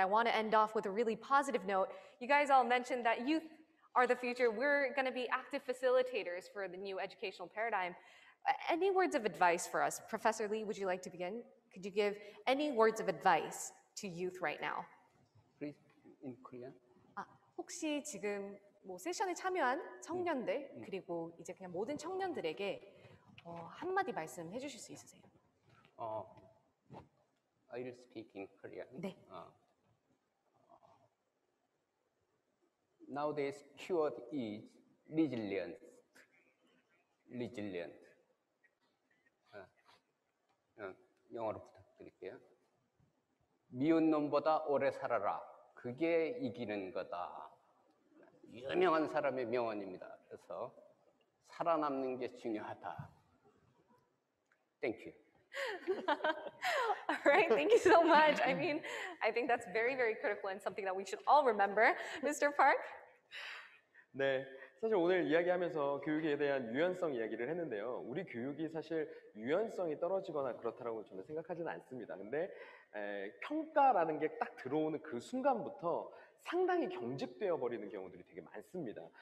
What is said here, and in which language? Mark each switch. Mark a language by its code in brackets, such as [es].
[en] I want to end off with a really positive note. You guys all mentioned that youth are the future. We're going to be active facilitators for the new educational paradigm. Any words of advice for us? Professor Lee, would you like to begin? Could you give any words of advice to youth right now? Please, in Korean. [ko] 혹시 지금 뭐 세션에 참여한 청년들 그리고 이제 그냥 모든 청년들에게 한마디 말씀해 주실 수 있으세요? [en] I will speak in Korean. [ko] 네. [en] Nowadays, keyword is resilient. Resilient. [ko] 영어로 부탁드릴게요. 미운 놈보다 오래 살아라. 그게 이기는 거다. 유명한 사람의 명언입니다. 그래서 살아남는 게 중요하다. [en] Thank you. All right, thank you so much. I mean, I think that's very, very critical and something that we should all remember. Mr. Park? [ko] 네, 사실 오늘 이야기하면서 교육에 대한 유연성 이야기를 했는데요. 우리 교육이 사실 유연성이 떨어지거나 그렇다라고 저는 생각하지는 않습니다. 근데 평가라는 게 딱 들어오는 그 순간부터 상당히 경직되어 버리는 경우들이 되게 많습니다.